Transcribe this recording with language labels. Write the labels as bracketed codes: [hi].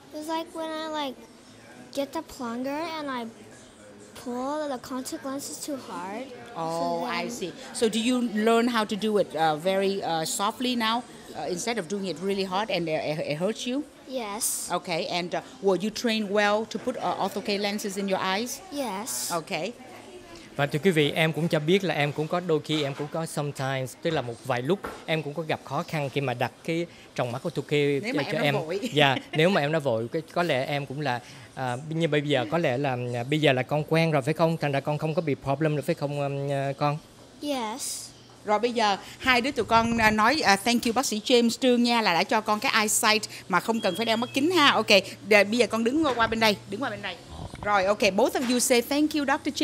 [en] It's like when I like get the plunger and I pull the contact lenses too hard. Oh, so I see. So do you learn how to do it very softly now, instead of doing it really hard and it hurts you? Yes. Okay. And were you trained well to put AutoCare lenses in your eyes? Yes. Okay. [vi] Và thưa quý vị, em cũng cho biết là em cũng có đôi khi, em cũng có sometimes, tức là một vài lúc em cũng có gặp khó khăn khi mà đặt cái tròng mắt AutoCare cho em. Nếu mà em nó vội. Dạ, nếu mà em nó vội, có lẽ em cũng là, nhưng bây giờ có lẽ là, bây giờ là con quen rồi phải không? Thành ra con không có bị problem rồi phải không con? [en] Yes. [vi] Rồi bây giờ hai đứa tụi con nói [en] thank you [vi] bác sĩ James Trương nha, là đã cho con cái eyesight mà không cần phải đeo mắt kính ha. Ok, để, bây giờ con đứng qua bên đây. Rồi, [en] okay, both of you say thank you, Dr.